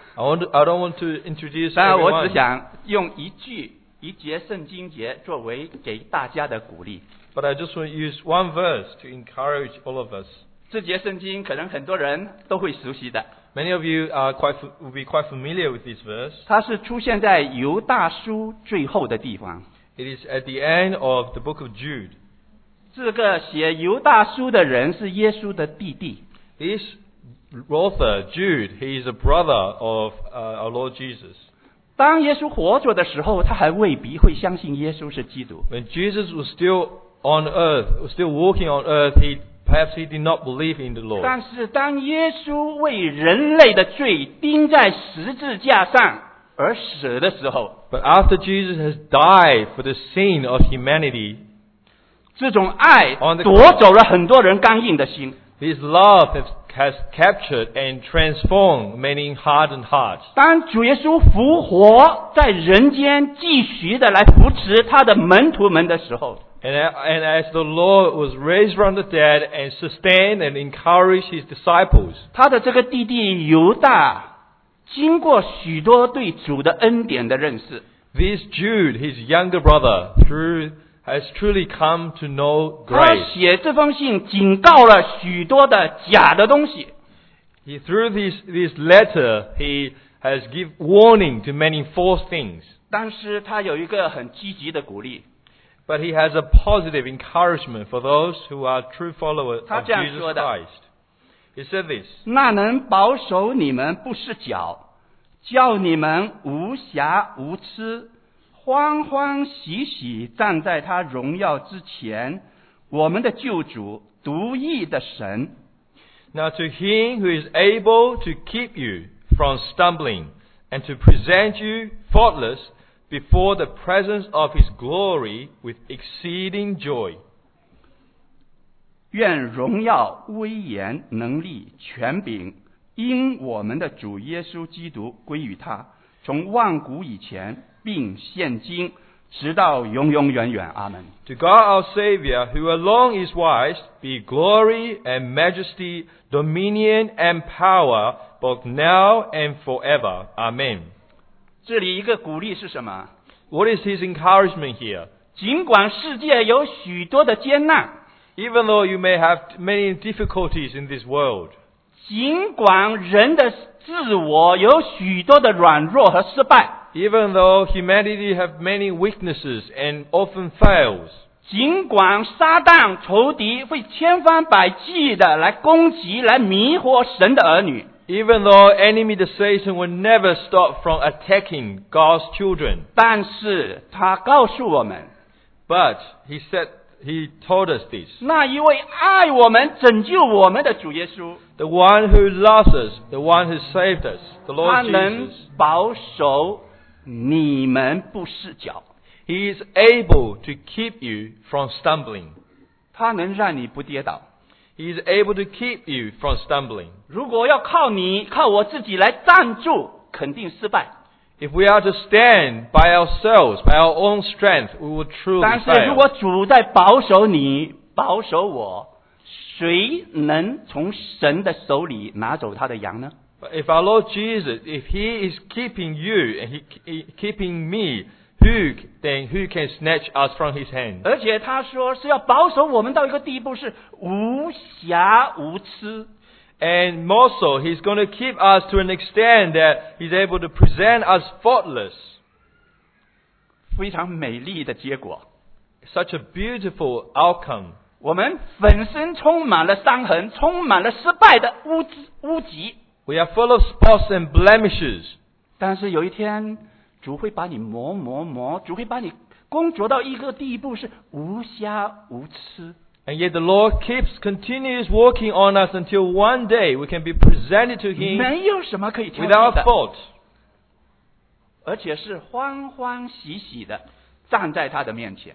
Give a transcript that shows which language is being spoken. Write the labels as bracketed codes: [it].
[en] I don't want to introduce everyone. [zh] 我只想用一句一节圣经节作为给大家的鼓励。 [en] But I just want to use one verse to encourage all of us. [zh] 这节圣经可能很多人都会熟悉的。 [en] Many of you are quite, will be quite familiar with this verse. [zh] 它是出现在犹大书最后的地方。 [en] It is at the end of the book of Jude. [zh] 这个写犹大书的人是耶稣的弟弟。 [en] This author, Jude, he is a brother of our Lord Jesus. [zh] 当耶稣活着的时候，他还未必会相信耶稣是基督。 [en] When Jesus was still on earth, was still walking on earth, he perhaps he did not believe in the Lord. [zh] 但是当耶稣为人类的罪钉在十字架上而死的时候 [en] ，But after Jesus has died for the sin of humanity, [zh] 这种爱夺走了很多人刚硬的心。 [en] His love has captured and transformed many hardened hearts. [zh] 当主耶稣复活在人间继续的来扶持他的门徒们的时候 [en] and as the Lord was raised from the dead and sustained and encouraged his disciples, [zh] 他的这个弟弟犹大经过许多对主的恩典的认识 [en] This Jude, his younger brother, through has truly come to know grace. [zh] 他写这封信警告了许多的假的东西。 [en] He, through this letter, he has given warning to many false things. [zh] 但是他有一个很积极的鼓励。 [en] But he has a positive encouragement for those who are true followers of Jesus Christ. He said this, [zh] 那能保守你们不失脚，叫你们无瑕无疵。欢欢喜喜站在他荣耀之前，我们的救主，独一的神。 [en] Now to him who is able to keep you from stumbling and to present you faultless before the presence of his glory with exceeding joy. [zh] 愿荣耀、威严、能力、权柄，因我们的主耶稣基督归于他，从万古以前。并现今直到永永远远阿们 [en] To God our Savior who alone is wise be glory and majesty dominion and power both now and forever Amen [zh] 这里一个鼓励是什么 [en] What is his encouragement here [zh] 尽管世界有许多的艰难 [en] Even though you may have many difficulties in this world [zh] 尽管人的自我有许多的软弱和失败 [en] Even though humanity have many weaknesses and often fails, [zh] 尽管撒旦仇敌会千方百计的来攻击、来迷惑神的儿女 [en] ，Even though enemy the Satan will never stop from attacking God's children, [zh] 但是他告诉我们 [en] ，But he said he told us this. [zh] 那一位爱我们、拯救我们的主耶稣 [en] ，The one who loves us, the one who saved us, the Lord Jesus. [zh] 他能保守。你们不失脚 [en] He is able to keep you from stumbling. [zh] 他能让你不跌倒 [en] He is able to keep you from stumbling. [zh] 如果要靠你靠我自己来站住肯定失败 [en] If we are to stand by ourselves, by our own strength, we will truly fail. [zh] 但是如果主在保守你保守我谁能从神的手里拿走他的羊呢 [en] But if our Lord Jesus, if He is keeping you and He keeping me, who then who can snatch us from His hand? [zh] 而且他说是要保守我们到一个地步是无瑕无疵。 [en] And more so, He's going to keep us to an extent that He's able to present us faultless. [zh] 非常美丽的结果。 [en] Such a beautiful outcome. [zh] 我们本身充满了伤痕，充满了失败的污迹。 [en] We are full of spots and blemishes. [zh] 但是有一天，主会把你磨磨磨，主会把你工作到一个地步是无瑕无疵。 [en] And yet the Lord keeps continues working on us until one day we can be presented to Him. [zh] 没有什么可以挑剔的。 [en] Without fault. [zh] 而且是欢欢喜喜的站在他的面前。